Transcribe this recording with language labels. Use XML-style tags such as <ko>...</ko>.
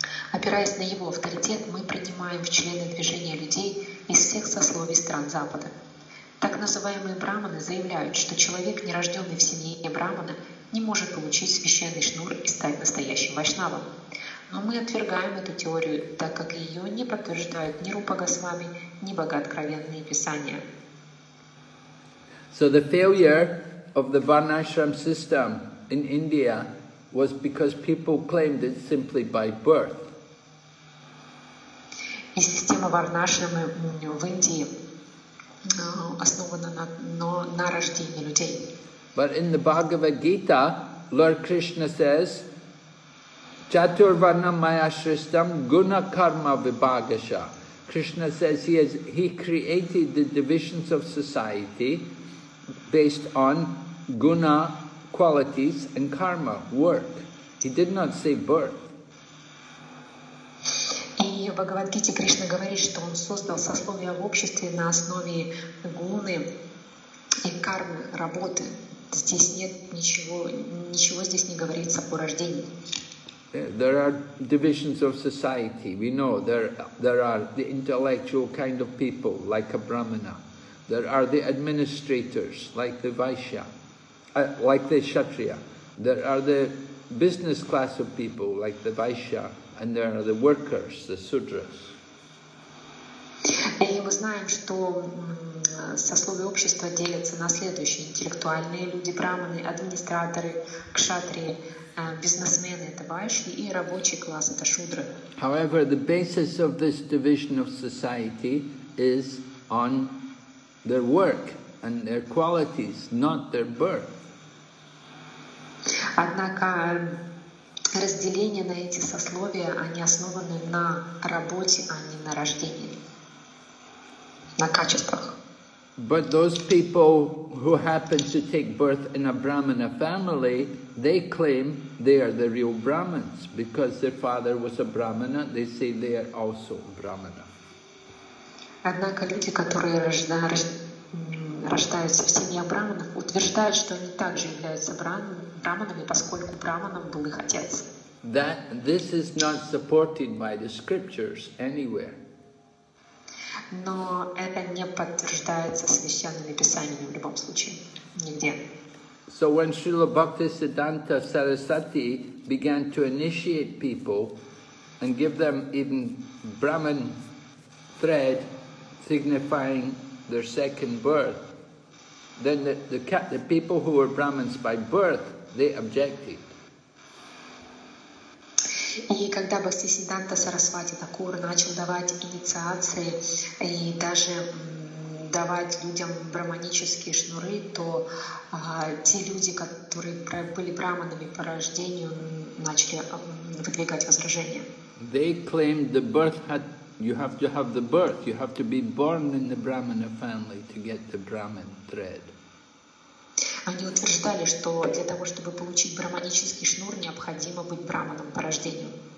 <ru>Опираясь на его авторитет, мы принимаем в члены движения людей из всех сословий стран Запада. Так называемые брахманы заявляют, что человек, нерожденный в семье брахмана, не может получить священный шнур и стать настоящим вайшнавом. Но мы отвергаем эту теорию, так как ее не подтверждают ни Рупа Госвами, ни богооткровенные писания.</ru> <en>So the failure of the Varnashram system in India was because people claimed it simply by birth.</en> <ru>И система Варнашрамы в Индии основана на рождении людей.</ru> <en>But in the Bhagavad Gita, Lord Krishna says,</en> <sa>Chaturvarna Mayashristam Guna Karma Vibhagasha.</sa> <en>Krishna says he created the divisions of society based on guna qualities and karma, work. He did not say birth.</en> <ru>И в Бхагавад-гите Кришна говорит, что он создал сословия в обществе на основе гуны и кармы, работы. Здесь нет ничего здесь не говорится о рождении.</ru> <en>There are divisions of society. We know there are the intellectual kind of people, like a brahmana. There are the administrators, like the vaishya, like the kshatriya. There are the business class of people, like the vaishya, and there are the workers, the sudras.</en> <ru>И мы знаем, что сословия общества делятся на следующие: интеллектуальные люди, брахманы, администраторы, кшатрии, бизнесмены, это вайши, и рабочий класс, это шудры.</ru> <en>However, the basis of this division of society is on their work and their qualities, not their birth.</en> <ru>Однако разделение на эти сословия, они основаны на работе, а не на рождении, на качествах.</ru> <en>But those people who happen to take birth in a brahmana family, they claim they are the real brahmins because their father was a brahmana. They say they are also brahmana.</en> <ru>Однако люди, которые рождаются в семье брахманов, утверждают, что они также являются брахманами, поскольку брахманом был их отец.</ru> <en>This is not supported by the scriptures anywhere.</en> <ru>Но это не подтверждается священными писаниями в любом случае, нигде.</ru> <en>So when Srila Bhaktisiddhanta Sarasvati began to initiate people and give them even Brahman thread signifying their second birth, then the people who were Brahmins by birth, they objected.</en> <ru>И когда Бхактисиддханта Сарасвати Такур начал давать инициации и даже давать людям брахманические шнуры, то те люди, которые были брахманами по рождению, начали выдвигать возражения.</ru> <en>They claimed the birth had, you have to have the birth, you have to be born in the brahmana family to get the brahman thread.</en> <ru>Они утверждали, что для того, чтобы получить брахманический шнур, необходимо быть брахманом по рождению.</ru>